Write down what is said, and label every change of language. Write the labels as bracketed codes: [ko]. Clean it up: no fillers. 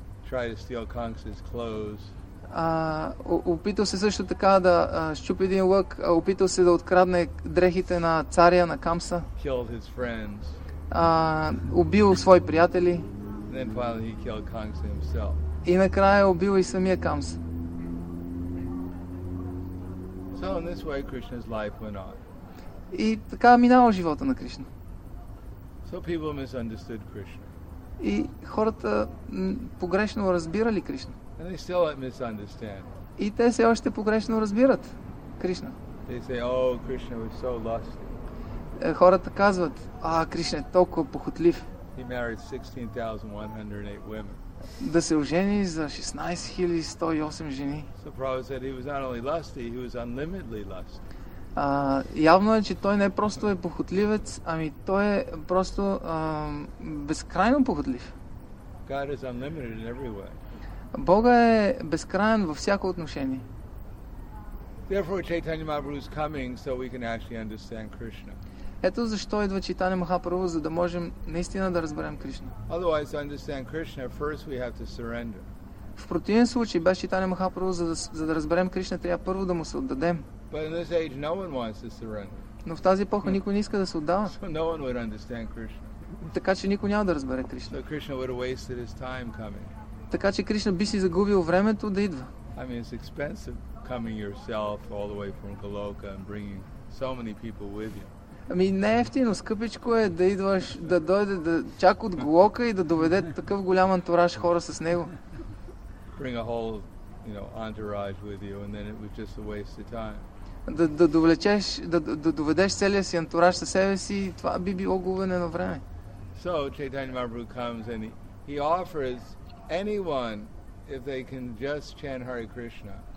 [en] Try to steal Kamsa's clothes. [bg] Опитал се също така да щупи един лък, опитал се да открадне дрехите на царя на Камса. [en] Killed his friends. [bg] Убил свои приятели. [en] Then finally he killed Kamsa himself. [bg] И накрая убил и самия Камса. [en] So in this way Krishna's life went on. [bg] И така минало живота на Кришна. [en] So people misunderstood Krishna. [bg] И хората погрешно разбирали Кришна. [en] And they still misunderstand. [bg] И те все още погрешно разбират Кришна. [en] They say, "Oh, Krishna was so lusty." [bg] Хората казват, а, Кришна е толкова похотлив. [en] He married 16,108 women. [bg] Да се ожени за 16,108 жени. [en] So Prabhupada said he was not only lusty, he was unlimitedly lusty. [bg] Явно е, че той не просто е похотливец, ами той е просто безкрайно похотлив. [en] God is unlimited in every way. [bg] Бога е безкраен във всяко отношение. [en] Therefore, Chaitanya Mahaprabhu is coming so we can actually understand Krishna. [bg] Ето защо идва Чайтанья Махапрабху, за да можем наистина да разберем Кришна. [en] Otherwise, to understand Krishna, first we have to surrender. [bg] В противен случай, без Чайтанья Махапрабху, за да разберем Кришна, трябва първо да му се отдадем. [en] But in this age, no one wants to surrender. [bg] Но в тази епоха никой не иска да се отдава. [en] So no one would understand Krishna. [bg] Така че никой няма да разбере Кришна. [en] So Krishna would have wasted his time coming. [bg] Така че Кришна би си загубил времето да идва. [en] I mean, it's expensive coming yourself all the way from Goloka and bringing so many people with you. [bg] Ами не ефтино, скъпичко е да идваш, да дойде, да чак от Голока и да доведе такъв голям антураж хора с него. [en] Bring a whole, you know, entourage with you, and then it was just a waste of time. [bg] Да доведеш целия си антураж със себе си, това би било губене на време. [en] So Chaitanya Mahaprabhu comes and he offers anyone if they can just chant Hare Krishna.